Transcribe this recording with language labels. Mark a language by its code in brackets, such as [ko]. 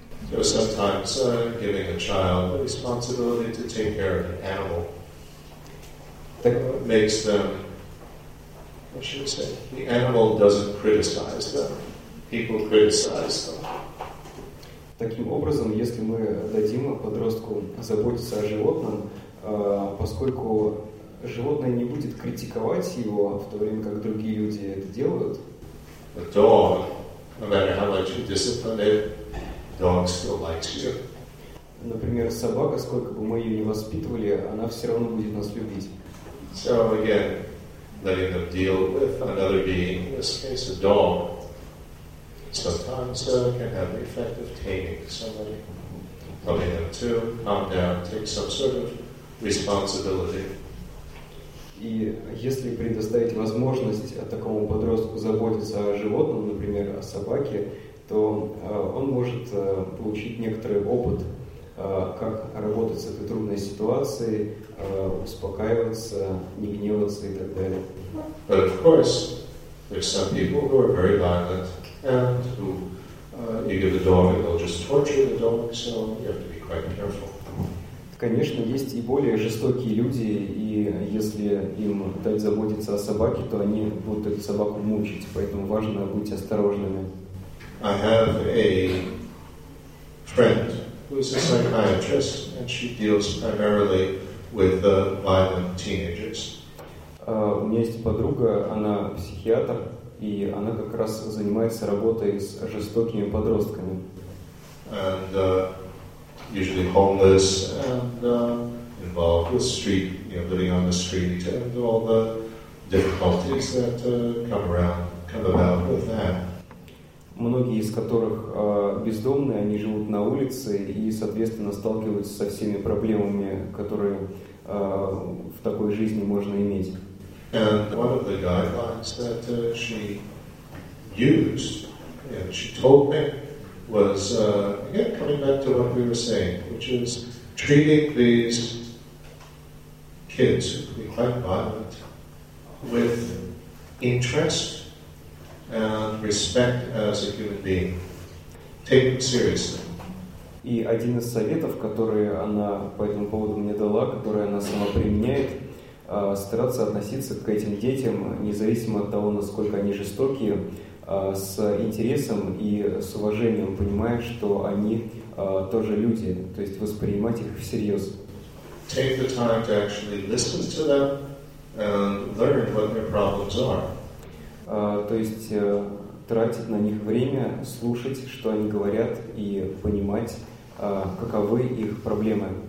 [en] So sometimes giving a child the responsibility to take care of an animal makes them, what should I say, the animal doesn't criticize them. People criticize them. [ru] Таким образом, если мы дадим подростку заботиться о животном, поскольку животное не будет критиковать его, в то время как другие люди это делают. [en] A dog, no matter how much you discipline it, dog still likes you. [ru] Например, собака, сколько бы мы ее не воспитывали, она все равно будет нас любить. [en] So again, letting them deal with another being, in this case a dog, sometimes can have the effect of taming somebody. Telling them to calm down, take some sort of responsibility. [ru] И если предоставить возможность такому подростку заботиться о животном, например, о собаке, то он может получить некоторый опыт, как работать с этой трудной ситуацией, успокаиваться, не гневаться и так далее. [en] But of course, there's some people who are very violent, and who you give the dog and they'll just torture the dog, so you have to be quite careful. [ru] Конечно, есть и более жестокие люди, и если им дать заботиться о собаке, то они будут эту собаку мучить, поэтому важно быть осторожными. [en] I have a friend who is a psychiatrist, and she deals primarily with violent teenagers. [ru] У меня есть подруга, она психиатр, и она как раз занимается работой с жестокими подростками. [en] And, usually homeless and involved with street, you know, living on the street and all the difficulties that come about with that. [ru] Многие из которых бездомные, они живут на улице и, соответственно, сталкиваются со всеми проблемами, которые в такой жизни можно иметь. [en] And one of the guidelines that she used, and she told me, was, again, coming back to what we were saying, which is treating these kids who can be quite violent with interest and respect as a human being. Take them seriously. [ru] И один из советов, который она по этому поводу мне дала, который она сама применяет, стараться относиться к этим детям, независимо от того, насколько они жестокие, с интересом и с уважением, понимая, что они тоже люди, то есть воспринимать их всерьез. [en] Take the time to actually listen to them and learn what their problems are. [ru] То есть тратить на них время, слушать, что они говорят, и понимать, каковы их проблемы.